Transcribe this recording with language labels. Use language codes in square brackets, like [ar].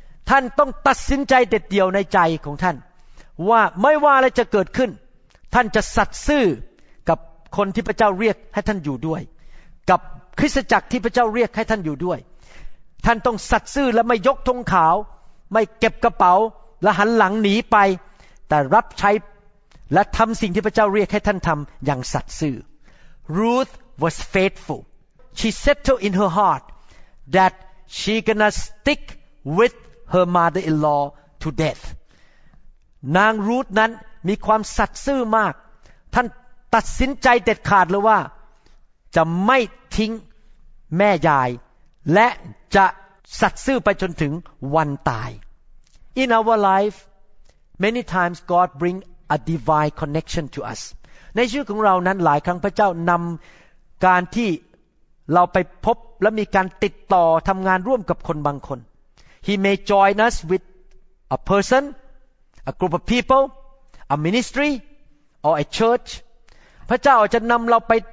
[th] ท่านต้องตัดสินใจเด็ดเดี่ยวในใจของท่านว่าไม่ว่าอะไรจะเกิดขึ้นท่านจะสัตย์ซื่อกับคนที่พระเจ้าเรียกให้ท่านอยู่ด้วยกับคริสตจักรที่พระเจ้าเรียกให้ท่านอยู่ด้วยท่านต้องสัตย์ซื่อและไม่ยกธงขาวไม่เก็บกระเป๋าและหันหลังหนีไปแต่รับใช้และทำสิ่งที่พระเจ้าเรียกให้ท่านทำอย่างสัตย์ซื่อ [en] Ruth was faithful. She settled in her heart that she gonna stick with her mother-in-law to death. [th] นางรูธนั้นมีความสัตย์ซื่อมากท่านตัดสินใจเด็ดขาดเลยว่าจะไม่ทิ้งแม่ยายและจะสัตย์ซื่อไปจนถึงวันตาย [en] In our life, many times God bring a divine connection to us [th] ในชีวิตของเรานั้นหลายครั้งพระเจ้านำการที่เราไปพบและมีการติดต่อทำงานร่วมกับคนบางคน [en] He may join us with a person a group of people a ministry or a church [th] พระเจ้าอาจจะนำเราไป